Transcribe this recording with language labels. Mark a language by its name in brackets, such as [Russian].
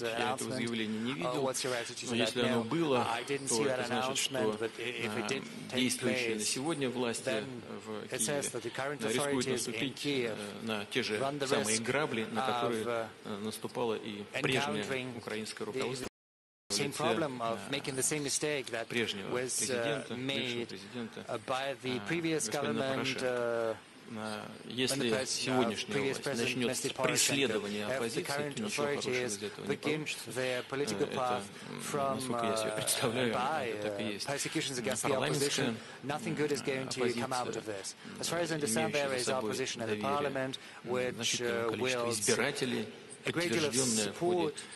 [Russian] Нет, я этого заявления не видел, но если оно было, то это значит, что действующие на сегодня власти в Киеве рискуют наступить на те же самые грабли, на которые наступало и прежнее украинское руководство. [English] Same problem of making the same mistake that was made by the previous government. [Russian] Если сегодняшняя власть начнет преследование оппозиции, то ничего хорошего из этого не получится. Это, насколько я себе представляю, это так и есть. Парламентская оппозиция, имеющая за собой доверие, значительное количество избирателей, подтвержденное в ходе